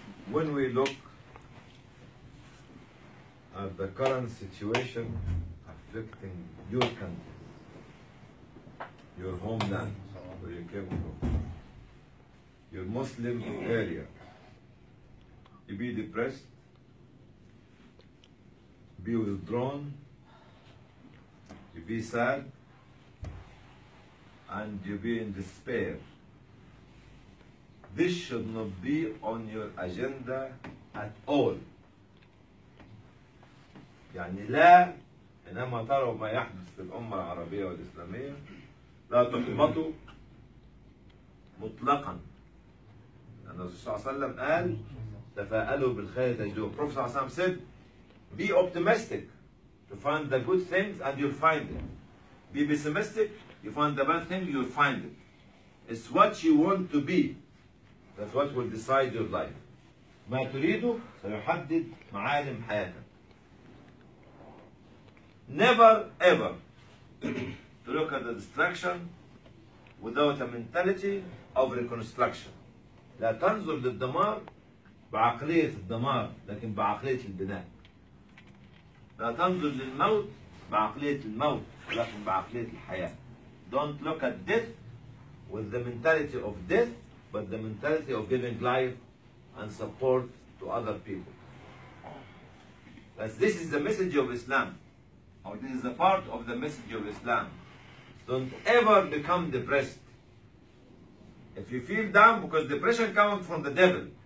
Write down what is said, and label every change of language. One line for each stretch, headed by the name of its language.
English: when we look at the current situation affecting your country, your homeland, where you came from, your Muslim area, you be depressed, be withdrawn, you be sad, and you be in despair. This should not be on your agenda at all.
Arabic: يعني لا إنما تروا ما يحدث في الأمة العربية والإسلامية لا تحبطوا مطلقا. لأن الرسول صلى الله عليه وسلم قال تفائلوا بالخير تجدوه.
English: Prophet صلى الله عليه وسلم said be optimistic to find the good things and you'll find it. Be pessimistic, you find the bad thing, you'll find it. It's what you want to be. That's what will decide your life.
Arabic: ما تريده سيحدد معالم حياتك.
English: Never ever to look at the destruction without a mentality of reconstruction.
Arabic: لا تنظر للدمار بعقلية الدمار لكن بعقلية البناء. لا تنظر للموت بعقلية الموت لكن بعقلية الحياة.
English: Don't look at death with the mentality of death but the mentality of giving life and support to other people. As this is the message of Islam. Or this is a part of the message of Islam. Don't ever become depressed. If you feel down, because depression comes from the devil.